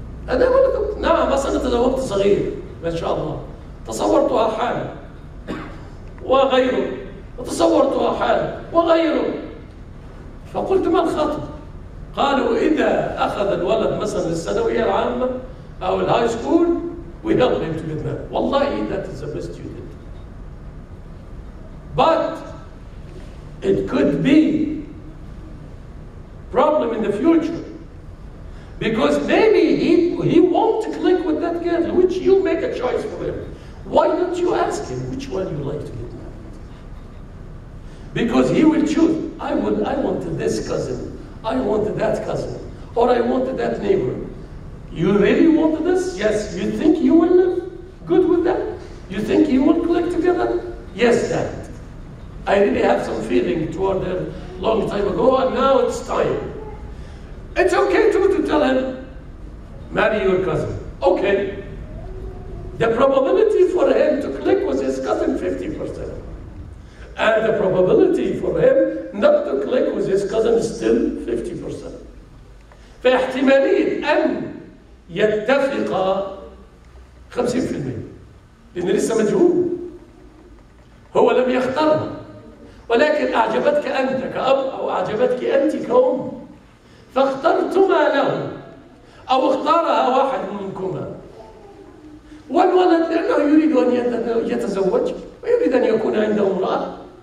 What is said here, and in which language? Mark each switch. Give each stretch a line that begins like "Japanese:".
Arabic: أنا ولد، نعم، بس أنا تزوجت صغير ما شاء الله، تصورتها حالا وغيره، تصورتها حالا وغيره. فقلت ما الخطب؟ قالوا إذا أخذ الولد مثلا الثانوية العامة أو الهاي سكول،
English: we help him to get married. Wallahi, that is the best you did. But it could be problem in the future, because maybe he won't click with that girl, which you make a choice for him. Why don't you ask him which one you like to get married? Because he will choose. I want this cousin. I want that cousin. Or I want that neighbor. You really want this? Yes. You think you will live good with that? You think you will click together? Yes, Dad. I really have some feeling toward him a long time ago, and now it's time. It's okay to tell him, marry your cousin. Okay. The probability for him to click with his cousin, 50%. And the probability for him not to click with his cousin is still 50%.
Arabic: فاحتماليه أن يتفق 50%، لأنه لسه مجهول، هو لم يختارها، ولكن أعجبتك أنت كأب، أو أعجبتك أنت كأم، فاخترتما له، أو اختارها واحد منكما، والولد لأنه يريد أن يتزوج، ويريد أن يكون عنده امرأة،